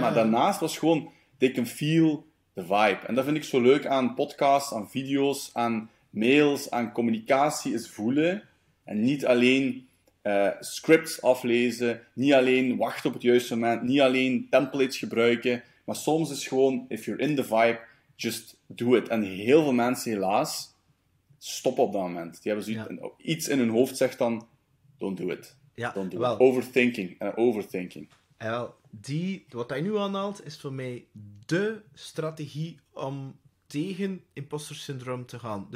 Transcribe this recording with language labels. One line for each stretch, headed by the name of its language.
Dutch: Maar daarnaast was gewoon...
English: They can feel the vibe.
Dutch: En dat vind ik zo leuk aan podcasts, aan video's, aan mails, aan communicatie, is voelen. En niet alleen scripts aflezen. Niet alleen wachten op het juiste moment. Niet alleen templates gebruiken. Maar soms is gewoon,
English: if you're in the vibe, just do it.
Dutch: En heel veel mensen helaas... Stop op dat moment. Die hebben zoiets, ja. Iets in hun hoofd zegt dan,
English: don't do it.
Dutch: Ja,
English: don't do wel. It. Overthinking. Overthinking.
Dutch: En wel, wat hij nu aanhaalt, is voor mij dé strategie om tegen imposter syndroom te gaan.